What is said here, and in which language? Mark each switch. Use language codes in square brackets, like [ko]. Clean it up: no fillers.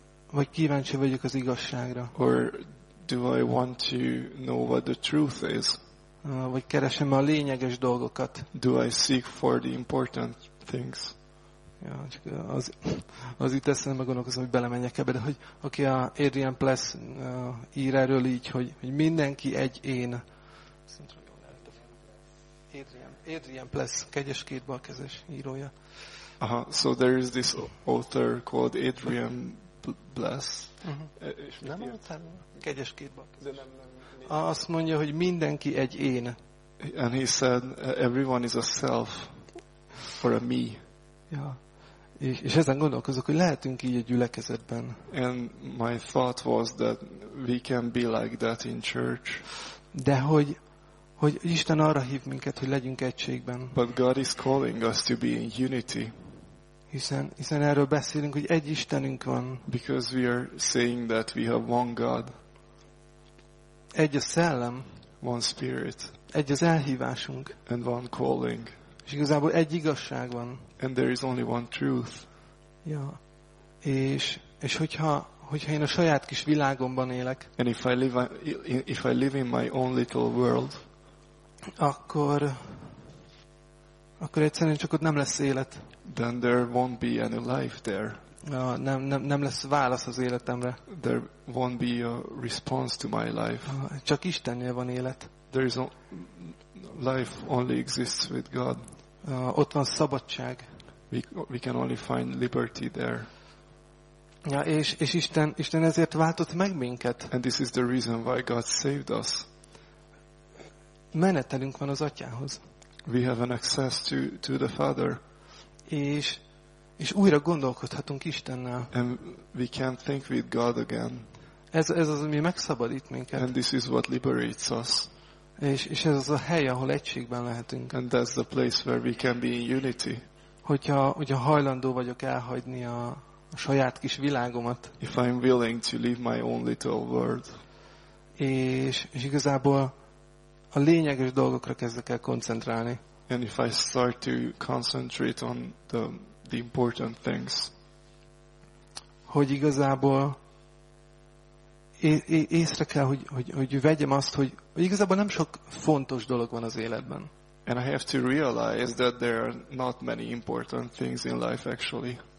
[hu] Vagy kíváncsi vagyok az igazságra? [en] Or do I want to know what the truth is? [hu] Vagy keresem a lényeges dolgokat? [en] Do I seek for the important things? [hu] Ja, csak az itt eszembe gondolkozom, hogy belemenjek ebbe, de hogy aki a Adrian Pless ír erről így, hogy mindenki egy én. Adrian Pless, kegyes két balkezes írója. [en] Aha, so there is this author called Adrian Pless. Uh-huh. [hu] Nem mondtam, kegyes két balkezes. Azt mondja, hogy mindenki egy én. [en] And he said, everyone is a self or a me. Ja. [hu] És ezen gondolkozok, hogy lehetünk így a gyülekezetben. [en] And my thought was that we can be like that in church. [hu] De hogy Isten arra hív minket, hogy legyünk egységben. [en] But God is calling us to be in unity. [hu] Hiszen erről beszélünk, hogy egy Istenünk van. [en] Because we are saying that we have one God. [hu] Egy a szellem. [en] One spirit. [hu] Egy az elhívásunk. [en] And one calling. [hu] És igazából egy igazság van. [en] And there is only one truth. Ja. [hu] És hogyha én a saját kis világomban élek, [en] and if I live in my own little world, [hu] akkor egyszerűen csak ott nem lesz élet. [en] Then there won't be any life there. [hu] Ja, nem lesz válasz az életemre. [en] There won't be a response to my life. [hu] Csak Istennél van élet. [en] There is life only exists with God. [hu] Ott van szabadság. [en] We can only find liberty there. [hu] Ja, és Isten ezért váltott meg minket. [en] And this is the reason why God saved us. [hu] Menetelünk van az Atyához. [en] We have an access to the Father. [hu] És újra gondolkodhatunk Istennel. [en] And we can think with God again. [hu] Ez az, ami megszabadít minket. [en] And this is what liberates us. [hu] És ez az a hely, ahol egységben lehetünk. [en] And that's the place where we can be in unity. [hu] Hogyha hajlandó vagyok elhagyni a saját kis világomat. [en] If I'm willing to leave my own little world. [hu] És igazából a lényeges dolgokra kezdek el koncentrálni. [en] And if I start to concentrate on the important things. [hu] Hogy igazából észre kell, hogy vegyem azt, hogy igazából nem sok fontos dolog van az életben. [en] And I have to realize that there are not many important things in life actually.